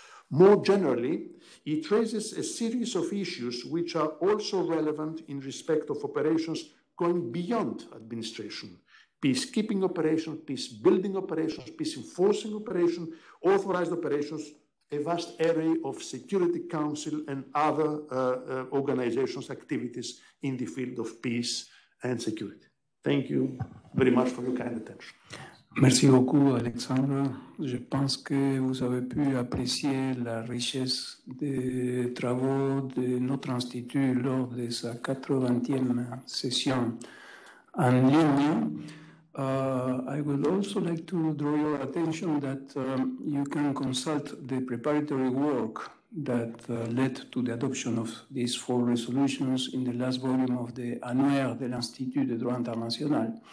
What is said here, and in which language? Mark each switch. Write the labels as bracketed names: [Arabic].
[English] More generally, it raises a series of issues which are also relevant in respect of operations going beyond administration: peacekeeping operations, peace-building operations, peace-enforcing operations, authorized operations, a vast array of Security Council and other organizations' activities in the field of peace and security. Thank you very much for your kind attention. [French] Merci beaucoup, Alexandre. Je pense que vous avez pu apprécier la richesse des travaux de notre institut lors de sa 80e session en ligne. [English] I would also like to draw your attention that you can consult the preparatory work that led to the adoption of these four resolutions in the last volume of the Annuaire de l'Institut de Droit International.